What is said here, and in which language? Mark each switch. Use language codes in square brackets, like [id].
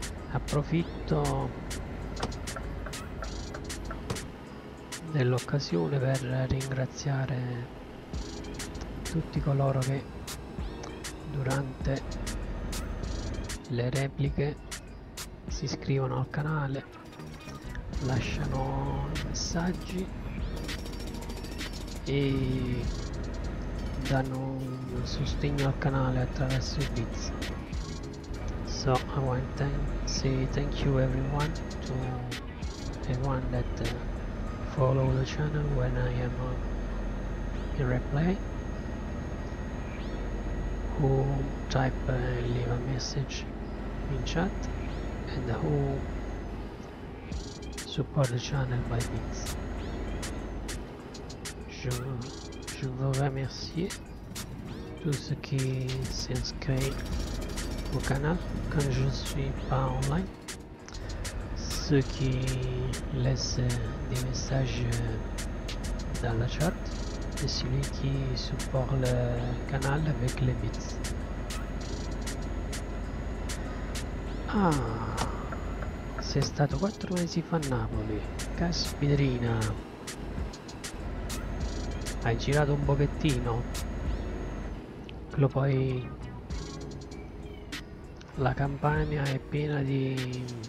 [it] Approfitto dell'occasione per ringraziare tutti coloro che durante le repliche si iscrivono al canale, lasciano messaggi e danno un sostegno al canale attraverso i bits. [en] So I want to say thank you everyone, to everyone that follow the channel when I am in replay, who type and leave a message in chat, and who support the channel by bits. [fr] Je veux remercier tout ce qui s'inscrit au canal quand je ne suis pas online, ceux qui laissent des messages dans la chat et celui qui supporte le canal avec les bits. [it] Ah, sei stato 4 mesi fa a Napoli, caspiterina. Hai girato un pochettino, lo poi la campagna è piena di